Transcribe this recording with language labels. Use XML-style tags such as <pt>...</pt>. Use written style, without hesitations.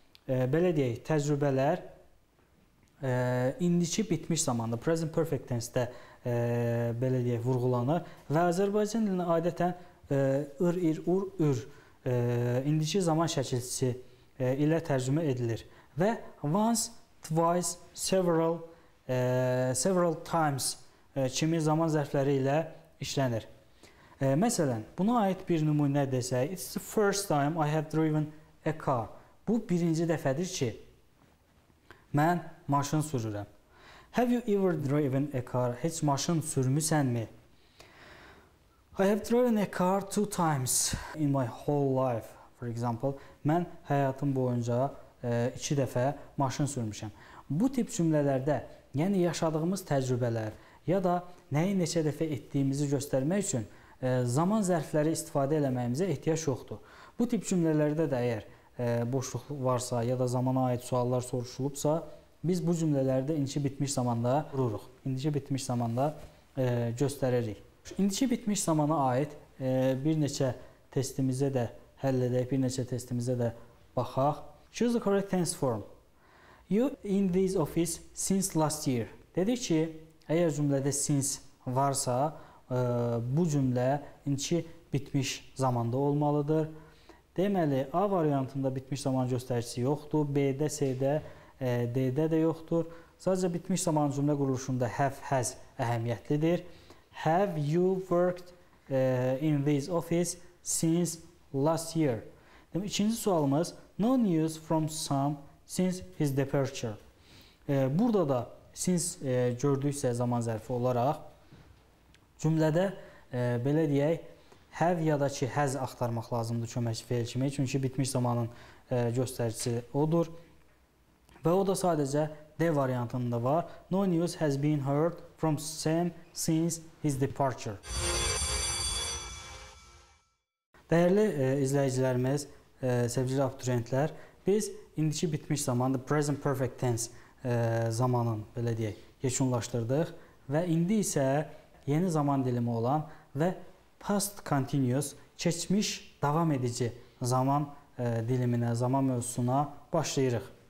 <az>belə deyək, təcrübələr indiki bitmiş zamanda, present perfect tense-də belə deyək, vurğulanır və Azərbaycan dilində adətən ır, ir, ur, ür indiki zaman şəkilçisi ilə tərcümə edilir və once, twice, several, several times kimi zaman zərfləri ilə işlənir. Məsələn, buna aid bir nümunə desək,</az> <en>it's the first time I have driven a car.</en> <az>Bu birinci dəfədir ki, mən maşın sürürəm.</az> <en>Have you ever driven a car?</en> <az>Heç maşın sürmüsənmi?</az> <en>I have driven a car two times in my whole life, for example.</en> <az>Mən həyatım boyunca iki dəfə maşın sürmüşəm. Bu tip cümlələrdə, yəni yaşadığımız təcrübələr ya da nəyi neçə dəfə etdiyimizi göstərmək üçün zaman zərfləri istifadə eləməyimizə ehtiyac yoxdur. Bu tip cümlələrdə də əgər boşluq varsa ya da zamana aid suallar soruşulubsa, biz bu cümlələrdə indiki bitmiş zamanda vururuq. İndiki bitmiş zamanda göstəririk. İndiki bitmiş zamana aid bir neçə testimizə də həll edək, bir neçə testimizə də baxaq.</az> <en>Choose the correct tense form. You in this office since last year.</en> <az>Dedik ki, əgər cümlədə since varsa, bu cümlə indiki bitmiş zamanda olmalıdır. Deməli, A variantında bitmiş zaman göstəricisi yoxdur. B-də, C-də, D-də də yoxdur. Sadəcə bitmiş zaman cümlə quruluşunda have, has əhəmiyyətlidir.</az> <en>Have you worked in this office since last year?</en> <az>Deməli, ikinci sualımız,</az> <en>no news from Sam since his departure.</en> <az>Burada da since gördüksə zaman zərfi olaraq cümlədə belə deyək, have ya da ki has axtarmaq lazımdır kömək fiil kimi, çünki bitmiş zamanın göstəricisi odur. Və o da sadəcə D variantında var.</az> <en>No news has been heard from Sam since his departure.</en> <az>Dəyərli izləyicilərimiz, sevgili abituriyentlər, biz indiki bitmiş zamanda present perfect tense zamanın belə deyək, yekunlaşdırdıq və indi isə yeni zaman dilimi olan və past continuous, keçmiş davam edici zaman diliminə, zaman mövzusuna başlayırıq.</az>